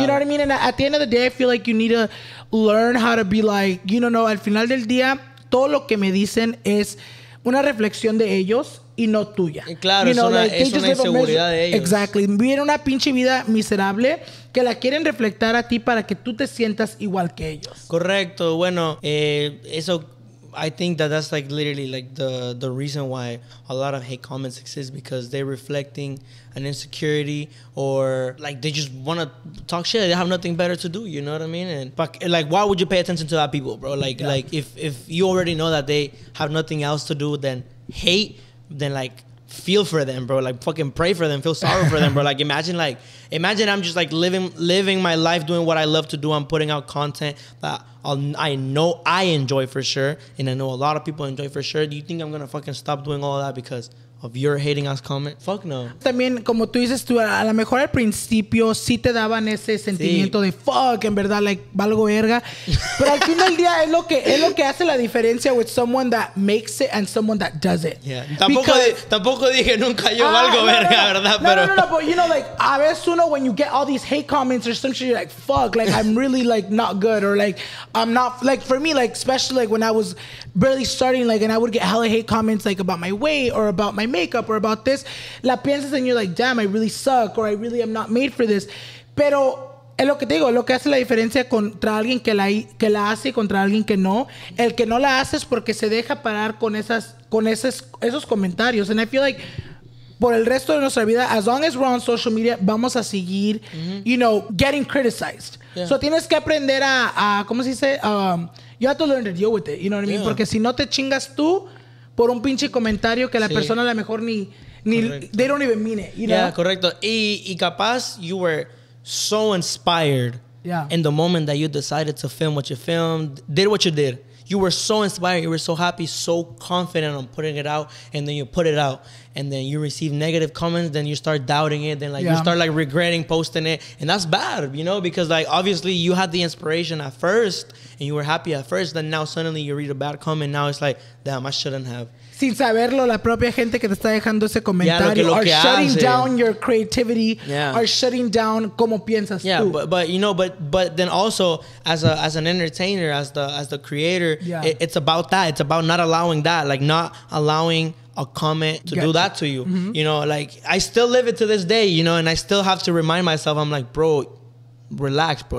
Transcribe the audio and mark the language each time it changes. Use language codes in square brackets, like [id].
[en] You know what I mean? And at the end of the day, I feel like you need to learn how to be like, you know, [es] no, al final del día, todo lo que me dicen es una reflexión de ellos y no tuya. Claro, [en] you [es] know, es una inseguridad de ellos. [en] Exactly. [es] Viven una pinche vida miserable que la quieren reflectar a ti para que tú te sientas igual que ellos. Correcto. Bueno, eso, [en] I think that's like literally like the reason why a lot of hate comments exist, because they're reflecting an insecurity, or like they just want to talk shit. They have nothing better to do, you know what I mean? And like, why would you pay attention to that people, bro? Like, yeah. Like if you already know that they have nothing else to do than hate, then like feel for them, bro. Like fucking pray for them, feel sorry for them, bro. Like imagine I'm just like living my life, doing what I love to do. I'm putting out content that I know I enjoy for sure, and I know a lot of people enjoy for sure. Do you think I'm gonna fucking stop doing all that because of your hating ass comment? Fuck no. [es] También, como tú dices, tú a lo mejor al principio sí te daban ese sentimiento sí. De fuck, en verdad, like, valgo verga. Pero al fin del día es lo que hace la diferencia [en] with someone that makes it and someone that does it. [es] Yeah. Tampoco dije nunca yo valgo verga, ¿verdad? No, pero... [en] no, but you know, like, [es] a veces uno, [en] when you get all these hate comments or something, you're like, fuck, like, I'm really, like, not good, or like, I'm not, like, for me, like, especially, like, when I was barely starting, like, and I would get hella hate comments, like, about my weight or about my makeup or about this, [es] la piensas [en] and you're like, damn, I really suck, or I really am not made for this. [es] Pero es lo que te digo, lo que hace la diferencia contra alguien que la hace y contra alguien que no, el que no la hace es porque se deja parar con esos comentarios. [en] And I feel like [es] por el resto de nuestra vida, [en] as long as we're on social media, [es] vamos a seguir, [en] mm-hmm. you know, getting criticized. [es] Yeah. So tienes que aprender a ¿cómo se dice? [en] You have to learn to deal with it, you know what I mean? Yeah. [es] Porque si no te chingas tú por un pinche comentario que la sí. persona a lo mejor ni [en] they don't even mean it, you know? Yeah, [es] correcto. Y capaz [en] you were so inspired yeah. in the moment that you decided to film what you filmed, did what you did. You were so inspired, you were so happy, so confident on putting it out, and then you put it out, and then you receive negative comments, then you start doubting it, then like yeah. you start like regretting posting it, and that's bad, you know, because like obviously you had the inspiration at first, and you were happy at first, then now suddenly you read a bad comment, now it's like, damn, I shouldn't have. [es] Sin saberlo, la propia gente que te está dejando ese comentario yeah, lo que [en] are shutting [es] hace. [en] Down your creativity, yeah. are shutting down [es] como piensas [en] yeah, [es] tú. [en] Yeah, but you know, but then also as an entertainer, as the creator, yeah. it's about that. It's about not allowing that, like not allowing a comment to get do that to you. Mm-hmm. You know, like I still live it to this day, you know, and I still have to remind myself, I'm like, bro, relax, bro.